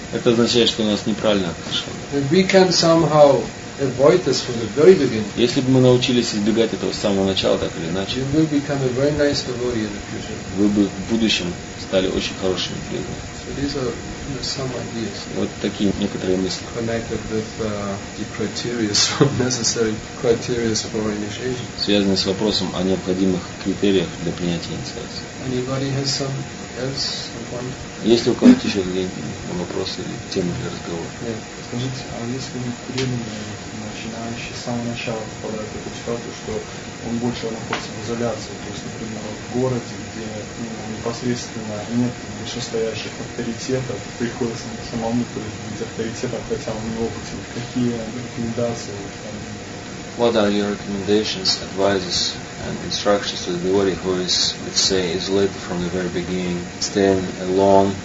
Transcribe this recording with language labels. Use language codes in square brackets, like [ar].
[ru] Это означает, что у нас неправильное отношение. [en] If we can somehow avoid this from the very beginning. [ru] Если бы мы научились избегать этого с самого начала, так или иначе. [en] You will become a very nice devotee in the future. [ru] Вы бы в будущем стали очень хорошими преданными. [en] So these are some ideas. [ru] Вот такие некоторые мысли. [en] Connected with the necessary criteria for initiation. [ru] Связанные с вопросом о необходимых критериях для принятия инициации. [en] Anybody has some else point? [ru] Есть ли у кого-то еще какие-нибудь вопросы или темы для разговора? Нет. Скажите, а если преданный начинающий с самого начала попадает в эту ситуацию, что он больше находится в изоляции, то есть, например, в городе, где непосредственно нет вышестоящих авторитетов, приходится ему самому то есть быть авторитетом, хотя он не опытен. Какие рекомендации? [en] What are your recommendations, advices, and instructions to the devotee who is, let's say, isolated from the very beginning, staying alone,